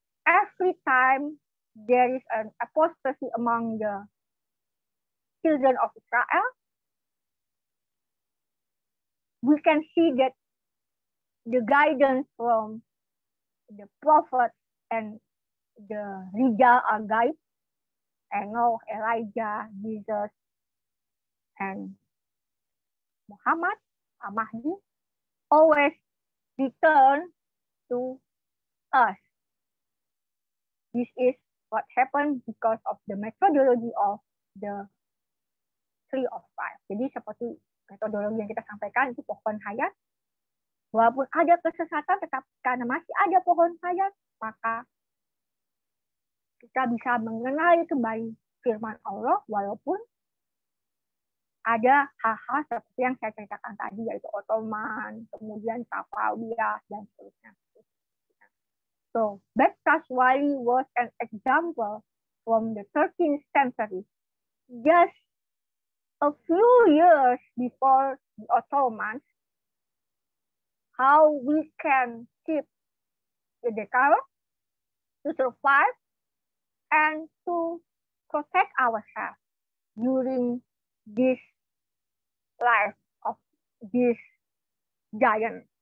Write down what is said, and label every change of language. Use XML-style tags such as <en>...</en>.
<en>Every time there is an apostasy among the children of Israel, we can see that the guidance from the prophet and the leader or guide, Enoch, Elijah, Jesus, and Muhammad, Mahdi, always return to us. This is what happened because of the methodology of the Tree of Life.</en> <id>Jadi seperti metodologi yang kita sampaikan itu pohon hayat. Walaupun ada kesesatan, tetap karena masih ada pohon hayat, maka kita bisa mengenali kembali firman Allah, walaupun ada hal-hal seperti yang saya ceritakan tadi, yaitu Ottoman, kemudian Safawiyah, dan seterusnya.</id> <en>So, Bektashi was an example from the 13th century. Just a few years before the Ottomans, how we can keep the decalogue to survive and to protect ourselves during this life of this giant.</en>